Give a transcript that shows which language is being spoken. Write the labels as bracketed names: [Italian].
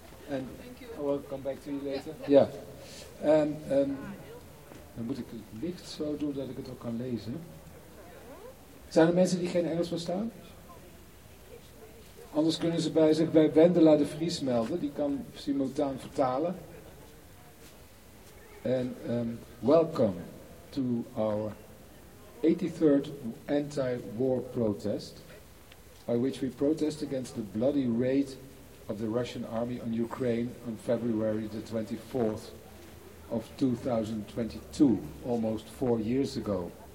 [English] En I will come back to you later. [Dutch] Ja. Dan moet ik het licht zo doen dat ik het ook kan lezen. Zijn er mensen die geen Engels verstaan? Anders kunnen ze bij zich bij Wendela de Vries melden. Die kan simultaan vertalen. [English] And welcome to our 83rd anti-war protest, by which we protest against the bloody raid of the Russian army on Ukraine on February the 24th of 2022, almost 4 years ago.